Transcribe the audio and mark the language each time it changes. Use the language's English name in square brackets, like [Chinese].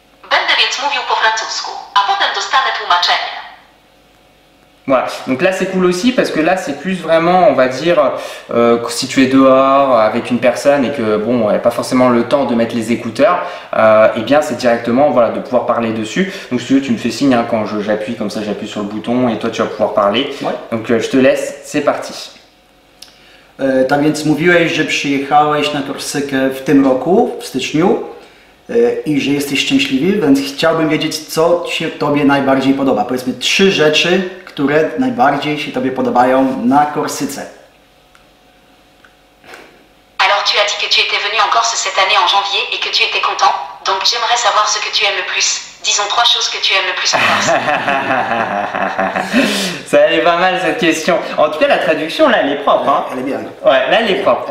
[Polish] Będę więc mówił po francusku, a potem dostanę tłumaczenie. [French] Voilà, donc là c'est cool aussi parce que là c'est plus vraiment, on va dire, si tu es dehors avec une personne et que bon, elle n'a pas forcément le temps de mettre les écouteurs, et bien c'est directement, voilà, de pouvoir parler dessus. Donc si tu veux, tu me fais signe hein, quand j'appuie, comme ça j'appuie sur le bouton et toi tu vas pouvoir parler. Ouais. Donc je te laisse, c'est parti. [Polish] Tak więc mówiłeś, że przyjechałeś na Korsykę w tym roku, w styczniu i że jesteś szczęśliwy, więc chciałbym wiedzieć, co się Tobie najbardziej podoba. Powiedzmy trzy rzeczy, które najbardziej się Tobie podobają na Korsyce. [French] Alors tu as dit que tu étais venu en Corse cette année en janvier et que tu étais content, donc j'aimerais savoir ce que tu aimes le plus. Disons trois choses que tu aimes le plus en Corse. Ça allait pas mal cette question. En tout cas, la traduction là, elle est propre. Hein. Elle est bien. Ouais, là, elle est propre.